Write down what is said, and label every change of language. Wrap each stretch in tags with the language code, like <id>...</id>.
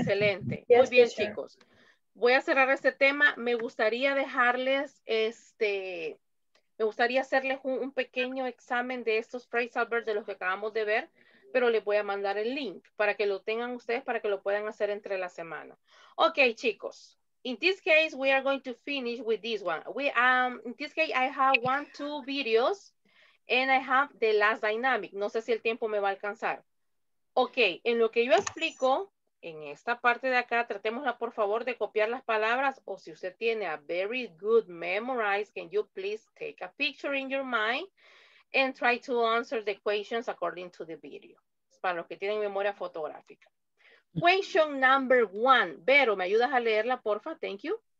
<es>Excelente.</es> <en>Yes,</en> <es>muy bien, teacher. Chicos. Voy a cerrar este tema. Me gustaría dejarles me gustaría hacerles un pequeño examen de estos phrase adverbs de los que acabamos de ver, pero les voy a mandar el link para que lo tengan ustedes, para que lo puedan hacer entre la semana. Ok, chicos.</es> <en>In this case, we are going to finish with this one. In this case, I have 1-2 videos and I have the last dynamic.</en> <es>No sé si el tiempo me va a alcanzar. Ok, en lo que yo explico, en esta parte de acá, tratémosla, por favor, de copiar las palabras. O si usted tiene</es> <en>a very good memorized, can you please take a picture in your mind and try to answer the questions according to the video.</en> <es>Es para los que tienen memoria fotográfica.</es> <en>Question number one.</en> <es>Vero, ¿me ayudas a leerla, porfa?</es> <en>Thank you.</en>